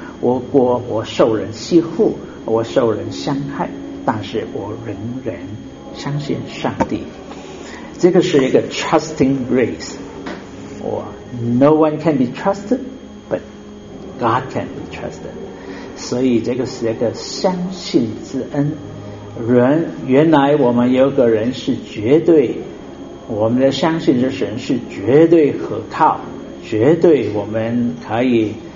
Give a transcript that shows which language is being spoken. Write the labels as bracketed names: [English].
[Chinese] 我受人欺负，我受人伤害，但是我仍然相信上帝。这个是一个 [English] trusting grace， [Chinese] 我 [English] no one can be trusted， but God can be trusted。 [Chinese] 所以这个是一个相信之恩。原来我们有个人是绝对，我们的相信之神是绝对可靠，绝对我们可以。